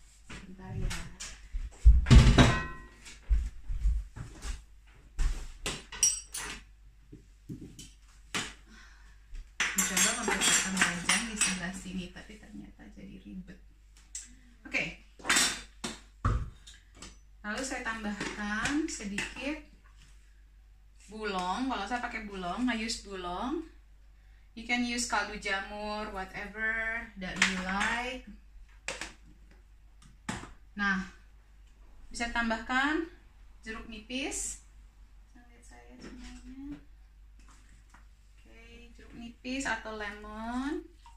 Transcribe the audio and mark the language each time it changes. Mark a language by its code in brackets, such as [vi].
[id] Bentar ya. Mencoba membuatkan wajan di sebelah sini, tapi ternyata jadi ribet. Lalu saya tambahkan sedikit bulong. Kalau saya pakai bulong, [en] I use bulong. You can use kaldu jamur, whatever that you like. [id] Nah, bisa tambahkan jeruk nipis. Lihat saya semuanya. Oke, jeruk nipis atau lemon.